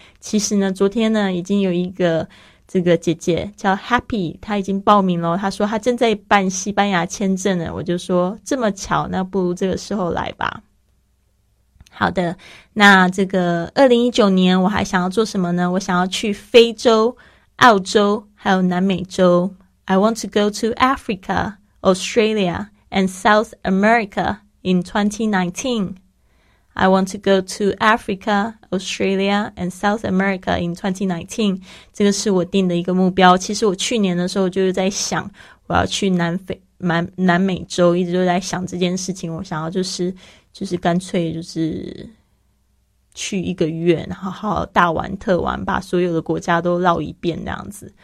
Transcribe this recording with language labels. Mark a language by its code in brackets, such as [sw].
[zh] 其实呢昨天呢已经有一个这个姐姐叫 Happy， 她已经报名了，她说她正在办西班牙签证呢。我就说这么巧，那不如这个时候来吧。好的，那这个2019年我还想要做什么呢？我想要去非洲、澳洲还有南美洲。 [en] I want to go to Africa, Australia, and South America in 2019. I want to go to Africa, Australia, and South America in 2019. [zh] 这个是我定的一个目标。其实我去年的时候就是在想我要去南美洲，一直就在想这件事情。我想要就是干脆就是去一个月，然后好好大玩特玩，把所有的国家都绕一遍这样子。